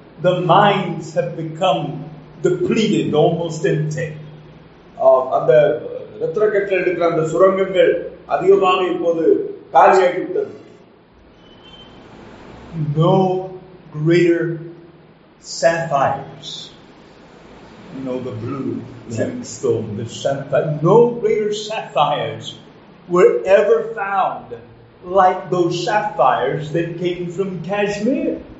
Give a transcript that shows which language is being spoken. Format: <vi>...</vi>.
<en>The mines have become depleted, almost empty.</en> <ta>அந்த ரத்தின கற்கள் எடுக்கிற அந்த சுரங்கங்கள் அதிகமாக இப்போது காலியாகிவிட்டது.</ta> <en>No greater sapphires, you know, the blue gemstone, the sapphire, no greater sapphires were ever found like those sapphires that came from Kashmir.</en>